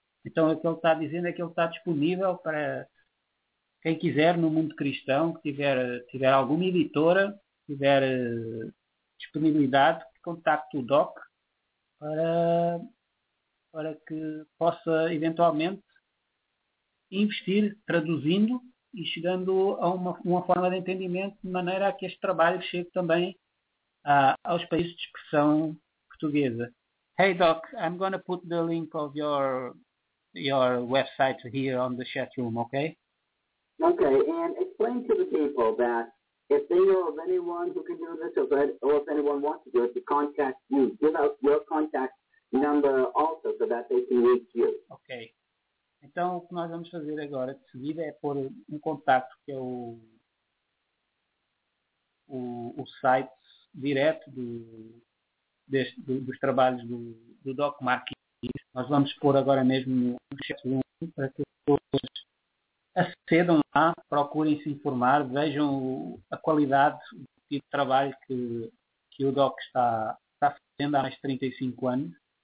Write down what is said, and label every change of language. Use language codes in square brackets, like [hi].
[pt] Então, o que ele está dizendo é que ele está disponível para quem quiser no mundo cristão, que tiver alguma editora, tiver disponibilidade, contacto o Doc para que possa eventualmente investir traduzindo e chegando a uma forma de entendimento de maneira a que este trabalho chegue também aos países de expressão portuguesa. [en] Hey Doc, I'm going to put the link of your website here on the chat room, okay? Okay, and explain to the people that if they know of anyone who can do this, or if anyone wants to do it, to contact you. Give out your contact number also so that they can reach you. Okay. [pt] Então, o que nós vamos fazer agora, de seguida, é pôr um contacto, que é o site direto dos trabalhos do Doc Marquinhos. Nós vamos pôr agora mesmo no chat para que as pessoas acedam lá, procurem se informar, vejam a qualidade do tipo de trabalho que o Doc está fazendo há mais de 35 anos.